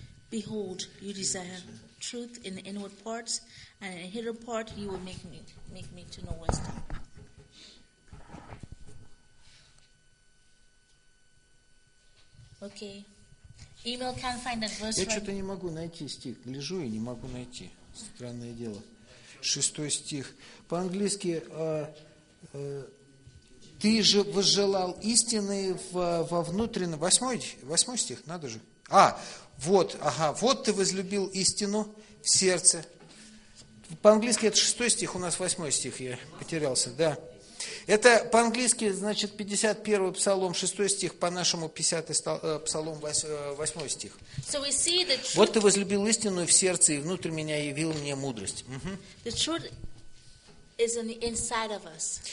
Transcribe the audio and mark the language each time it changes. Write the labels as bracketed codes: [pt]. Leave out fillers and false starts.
[en] behold, you desire truth in the inward parts, and in the hidden part you will make me to know wisdom. Okay. Email can't find that verse. [ru] Я что-то не могу найти стих. Гляжу и не могу найти. Странное дело. Шестой стих. По-английски, ты же возжелал истины во внутреннем. Восьмой стих, надо же. А, вот, ага, вот ты возлюбил истину в сердце. По-английски это шестой стих, у нас восьмой стих, я потерялся, да. Это по-английски, значит, 51-й псалом, 6 стих, по-нашему 50-й псалом, 8 стих. [en] So we see the truth. [ru] Вот ты возлюбил истину в сердце, и внутрь меня явил мне мудрость. [en] The truth is in the inside of us.